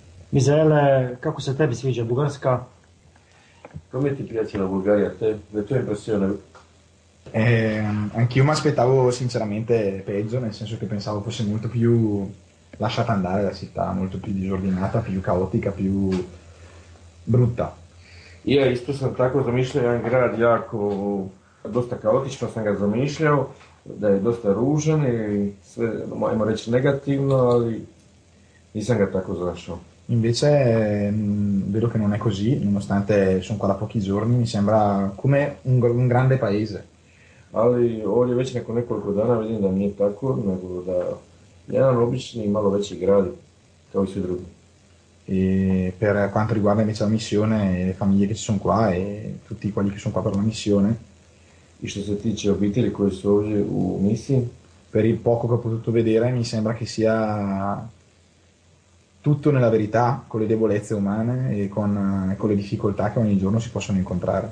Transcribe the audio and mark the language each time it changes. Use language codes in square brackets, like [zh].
[hr] Mizele, kako se tebi sviđa Bugarska? [it] Come ti piace la Bulgaria? Le tue impressioni? Anch'io mi aspettavo sinceramente peggio, nel senso che pensavo fosse molto più lasciata andare la città, molto più disordinata, più caotica, più brutta. [hr] Io isto sam tako zamišljao, jedan grad jako dosta kaotično sam ga zamišljao, da je dosta ružan i sve, možemo reći, negativno, ali nisam ga tako zašao. [it] Invece vedo che non è così, nonostante sono qua da pochi giorni, mi sembra come un grande paese. [hr] Ali ovdje već nakon nekoliko dana vidim da nije tako, nego da je jedan obični i malo veći grad, kao i svi drugi. [it] E per quanto riguarda invece la missione, le famiglie che ci sono qua e tutti quelli che sono qua per la missione. [hr] I što se tiče obitelji koji su ovdje u misiji? [it] Per il poco che ho potuto vedere, mi sembra che sia tutto nella verità, con le debolezze umane e con le difficoltà che ogni giorno si possono incontrare.